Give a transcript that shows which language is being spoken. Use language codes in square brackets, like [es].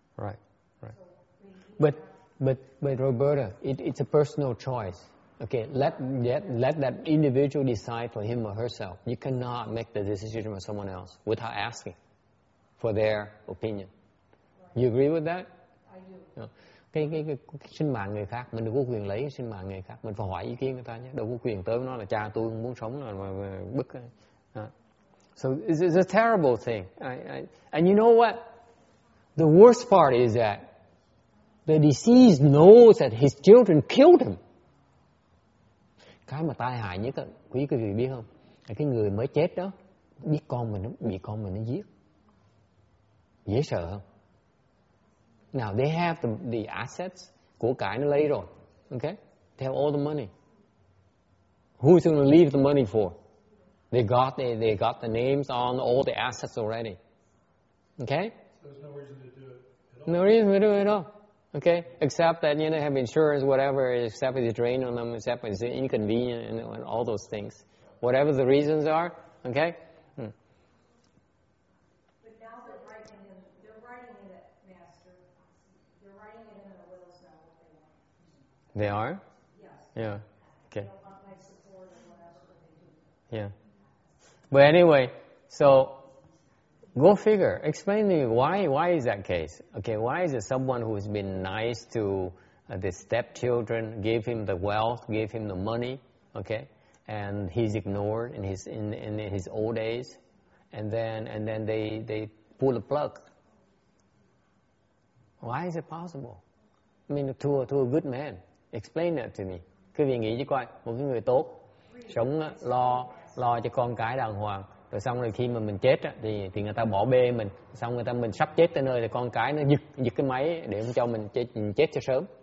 [en] Right, right. But Roberta, it's a personal choice. Okay, let that individual decide for him or herself. You cannot make the decision for someone else without asking for their opinion. Right. You agree with that? I do. [vi] Cái sinh mạng người khác, mình đâu có quyền lấy sinh mạng người khác. Mình phải hỏi ý kiến người ta nhé. Đâu có quyền tới nói là cha tôi muốn sống là bức. [en] So it's a terrible thing. And you know what? The worst part is that the deceased knows that his children killed him. [vi] Cái mà tai hại nhất, quý quý vị biết không? Là cái người mới chết đó, biết con mình bị con mình nó giết. Dễ sợ không? [en] Now they have the assets [vi] của cải nó lấy rồi. [en] Okay? They have all the money. Who's going to leave the money for? They got the names on all the assets already. Okay? So there's no reason to do it at all. No reason to do it at all. Okay, except that you know, have insurance, whatever, except it's a drain on them, except it's inconvenient, and all those things. Whatever the reasons are, okay? But now they're writing it, Master. They're writing it in a will, is that what they want? They are? Yes. Yeah, okay. They don't want my support or whatever they do. Yeah. But anyway, so go figure. Explain to me why is that case? Okay, why is it someone who has been nice to the stepchildren, gave him the wealth, gave him the money, okay, and he's ignored in his old age, and then they pull the plug. Why is it possible? I mean, to a good man, explain that to me. [vi] Cứ vì nghĩ chứ coi, một cái người tốt, sống lo cho con cái đàng hoàng. Rồi xong rồi khi mà mình chết á, thì người ta bỏ bê mình. Xong người ta mình sắp chết tới nơi thì con cái nó giật cái máy để không cho mình chết cho sớm.